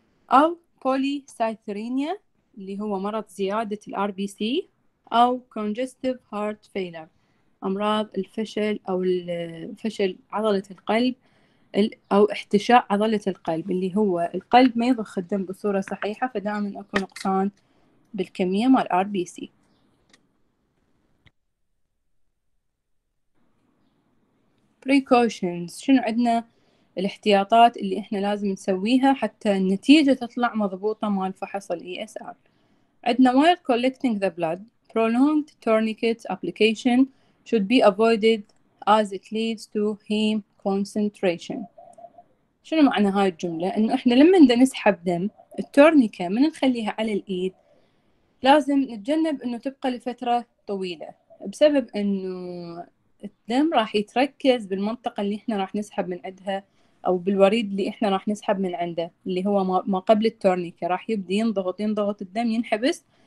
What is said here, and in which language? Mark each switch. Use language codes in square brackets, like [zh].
[ar] أو polycythemia اللي هو مرض زيادة الـ RBC، أو congestive heart failure أمراض الفشل أو الفشل عضلة القلب أو احتشاء عضلة القلب اللي هو القلب ما يضخ الدم بصورة صحيحة فدائما أكو نقصان بالكمية مع الـ RBC. precautions شنو عندنا الاحتياطات اللي احنا لازم نسويها حتى النتيجة تطلع مضبوطة مال فحص الـ ESR. عندنا [en] while collecting the blood, prolonged tourniquet application should be avoided as it leads to heme concentration. [ar] شنو معنى هاي الجملة؟ انه احنا لما بدنا نسحب دم التورنيكا من نخليها على الايد لازم نتجنب انه تبقى لفترة طويلة، بسبب انه الدم راح يتركز بالمنطقة اللي احنا راح نسحب من عندها او بالوريد اللي احنا راح نسحب من عنده اللي هو ما قبل التورنيكا، راح يبدي ينضغط الدم ينحبس،